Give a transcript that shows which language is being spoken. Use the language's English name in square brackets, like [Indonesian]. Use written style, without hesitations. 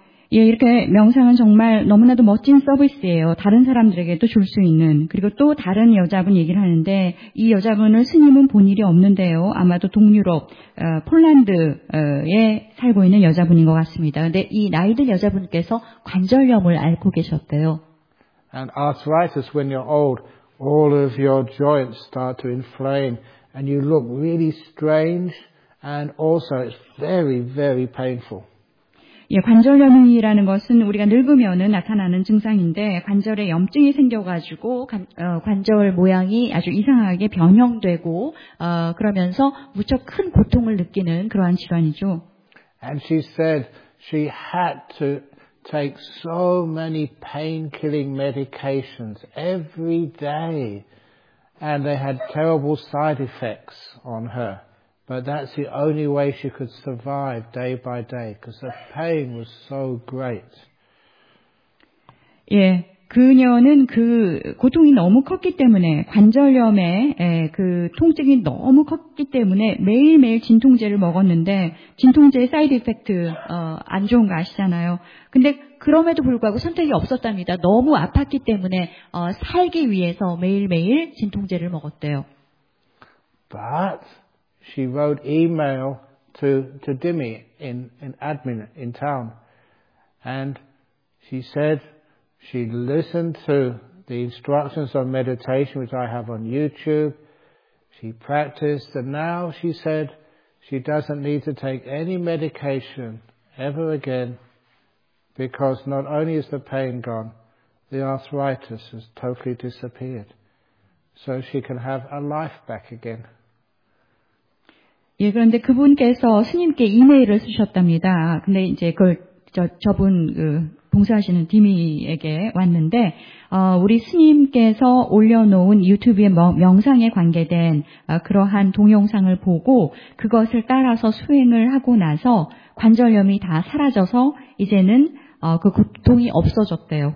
[Korean] 예, 이렇게 명상은 정말 너무나도 멋진 서비스예요. 다른 사람들에게도 줄 수 있는. 그리고 또 다른 여자분 얘기를 하는데 이 여자분을 스님은 본 일이 없는데요. 아마도 동유럽, 폴란드에 살고 있는 여자분인 것 같습니다. 근데 이 나이든 여자분께서 관절염을 앓고 계셨대요. [English] And arthritis, when you're old, all of your joints start to inflame and you look really strange and also it's very, very painful. [Korean] 예, 관절염이라는 것은 우리가 늙으면은 나타나는 증상인데 관절에 염증이 생겨가지고 관절 모양이 아주 이상하게 변형되고 그러면서 무척 큰 고통을 느끼는 그러한 질환이죠. [English] And she said she had to take so many painkilling medications every day, and they had terrible side effects on her. But that's the only way she could survive day by day, because the pain was so great. [Korean] 예, 그녀는 그 고통이 너무 컸기 때문에 관절염에 그 통증이 너무 컸기 때문에 매일매일 진통제를 먹었는데 진통제의 사이드 이펙트 안 좋은 거 아시잖아요. 근데 그럼에도 불구하고 선택이 없었답니다. 너무 아팠기 때문에 살기 위해서 매일매일 진통제를 먹었대요. [English] But she wrote email to Dimmy in admin in town and she said she listened to the instructions on meditation which I have on YouTube. She practiced and now she said she doesn't need to take any medication ever again because not only is the pain gone, the arthritis has totally disappeared. So she can have a life back again. [Korean] 예, 그런데 그분께서 스님께 이메일을 쓰셨답니다. 근데 이제 저분 그 봉사하시는 디미에게 왔는데 우리 스님께서 올려놓은 유튜브의 명상에 관계된 그러한 동영상을 보고 그것을 따라서 수행을 하고 나서 관절염이 다 사라져서 이제는 그 고통이 없어졌대요.